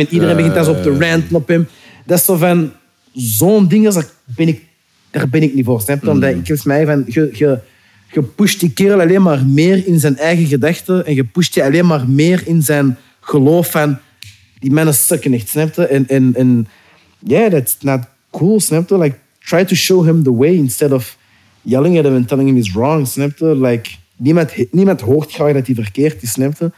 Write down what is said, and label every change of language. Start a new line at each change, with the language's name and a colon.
Dutch: En iedereen begint daar zo op te ranten op hem. Dat is zo van, zo'n ding is, daar ben ik niet voor. Snap je? Omdat ik heb mij van... Je pusht die kerel alleen maar meer in zijn eigen gedachten. En je pusht die alleen maar meer in zijn geloof van... Die mannen sukken echt, snap je? En yeah,
English: that's not cool,
Dutch: snap je?
English: Like, try to show him the way instead of yelling at him and telling him he's wrong,
Dutch: snap je? Like, niemand hoort graag dat hij verkeerd is, snap je?